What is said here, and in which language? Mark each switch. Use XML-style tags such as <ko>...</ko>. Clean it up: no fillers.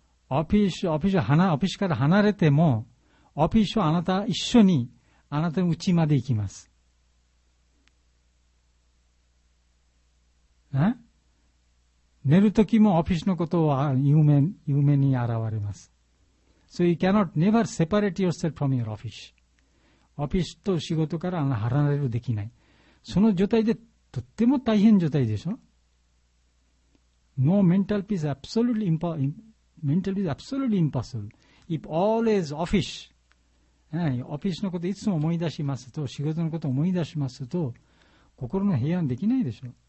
<ja>オフィスから離れても、オフィスはあなた一緒に、あなたのうちまで行きます。寝るときもオフィスのことは夢に現れます。</ja> <en>So you cannot never separate yourself from your office.</en> <ja>オフィスと仕事から離れるできない。その状態でとっても大変状態でしょ。</ja> <en>No mental peace absolutely mental peace absolutely impossible. If always office, office</en> <ja>のこといつも思い出しますと、仕事のことを思い出しますと、心の平安できないでしょ。</ja>